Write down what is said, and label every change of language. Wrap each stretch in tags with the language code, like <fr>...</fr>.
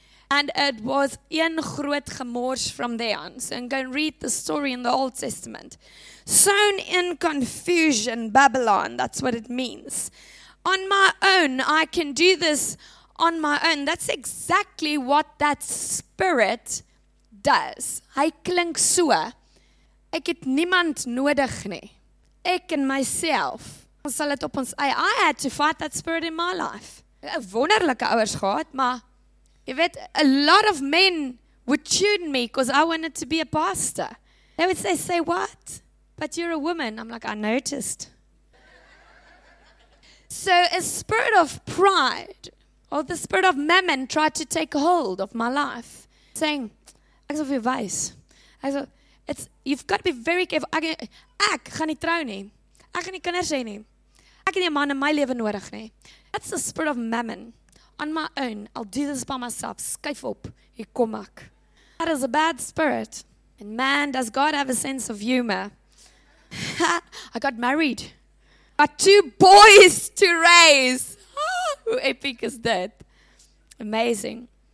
<en>And it was</en> <af>een groot gemors</af> <en>from there on. So I'm going to read the story in the Old Testament. Sown in confusion, Babylon. That's what it means. On my own, I can do this. On my own. That's exactly what that spirit does.</en> <af>Hy klink so. Ek het niemand nodig nie. Ek en myself. Ons sal dit op ons eie.</af> <en>I had to fight that spirit in my life.</en> <af>'N wonderlike ouers gehad, maar jy weet,</af> <en>a lot of men would tune me because I wanted to be a pastor. They would say, what? But you're a woman. I'm like, I noticed. So a spirit of pride. Or the spirit of mammon tried to take hold of my life, saying,</en> <af>"Ek sal vir jou wys. Ek sal,</af> <en>it's you've got to be very careful.</en> <af>Ek gaan nie trou nie. Ek gaan nie kinders hê nie. Ek het nie 'n man in my lewe nodig nie.</af> <en>That's the spirit of mammon. On my own, I'll do this by myself.</en> <af>Skuif op, hier kom ek.</af> <en>That is a bad spirit. And man, does God have a sense of humor? I got married. Got two boys to raise. How epic is that? Amazing.</en>